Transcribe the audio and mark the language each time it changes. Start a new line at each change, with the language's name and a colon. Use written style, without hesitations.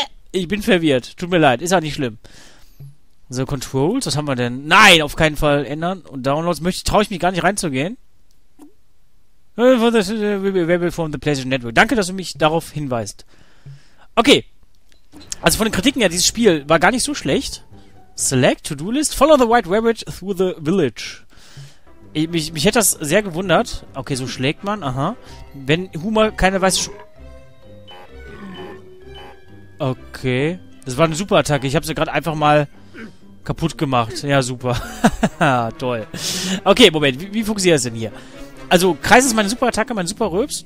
German: Ich bin verwirrt. Tut mir leid. Ist auch nicht schlimm. So, Controls. Was haben wir denn? Nein, auf keinen Fall ändern. Und Downloads. Traue ich mich gar nicht reinzugehen.
English: Available from the PlayStation Network.
German: Danke, dass du mich darauf hinweist. Okay. Also von den Kritiken her, dieses Spiel war gar nicht so schlecht.
English: Select, To-Do-List. Follow the White Rabbit through the village.
German: Mich hätte das sehr gewundert. Okay, so schlägt man. Aha. Wenn Humor keine weiße Okay, das war eine super Attacke. Ich habe sie gerade einfach mal kaputt gemacht. Ja, super. Toll. Okay, Moment, wie funktioniert das denn hier? Also, Kreis ist meine super Attacke, mein super Röps.